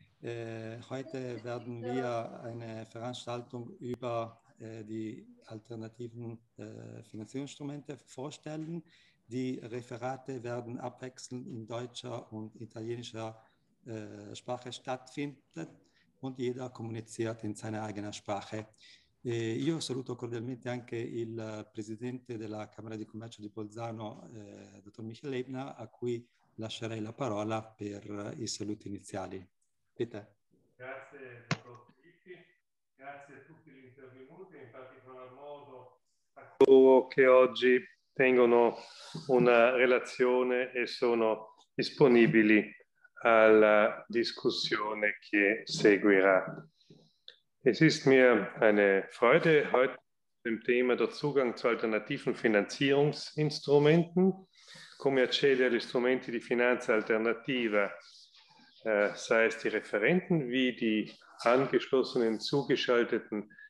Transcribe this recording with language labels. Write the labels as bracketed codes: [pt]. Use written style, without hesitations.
[de] Heute werden wir eine Veranstaltung über die alternativen Finanzierungsinstrumente vorstellen. Die Referate werden abwechselnd in deutscher und italienischer Sprache stattfinden und jeder kommuniziert in seiner eigenen Sprache. [it] Io saluto cordialmente anche il Presidente della Camera di Commercio di Bolzano, dottor Michele Ebner, a cui lascerei la parola per i saluti iniziali. [de] Bitte. [it] Grazie, dottor Filippi. Grazie a tutti gli intervenuti, in particolar modo a coloro che oggi tengono una relazione e sono disponibili alla discussione che seguirà. [de] Es ist mir eine Freude, heute dem Thema der Zugang zu alternativen Finanzierungsinstrumenten, [it] come accedere agli strumenti di finanza alternativa, [de] sei es die Referenten wie die angeschlossenen, zugeschalteten